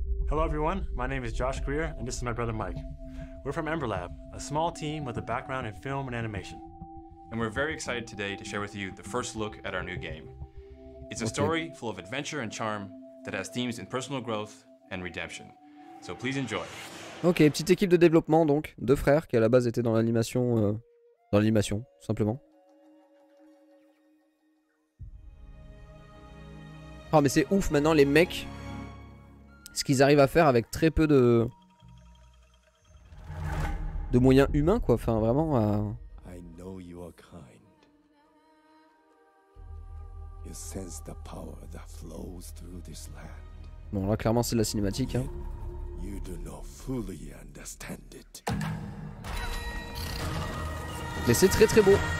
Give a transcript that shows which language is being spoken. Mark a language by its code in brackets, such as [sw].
[en] Hello everyone, my name is Josh Greer, and this is my brother Mike. We're from Ember Lab, a small team with a background in film and animation. And we're very excited today to share with you the first look at our new game. It's a story full of adventure and charm that has themes in personal growth and redemption. So please enjoy. [fr] Ok, petite équipe de développement donc, deux frères qui à la base étaient dans l'animation. Dans l'animation, tout simplement. Oh, mais c'est ouf maintenant les mecs. Ce qu'ils arrivent à faire avec très peu de moyens humains quoi, enfin vraiment à. [en] You sense the power that flows through this land. [fr] Bon, là, clairement, c'est de la cinématique. Hein. [en] You do not fully understand it. [fr] Mais c'est très très beau.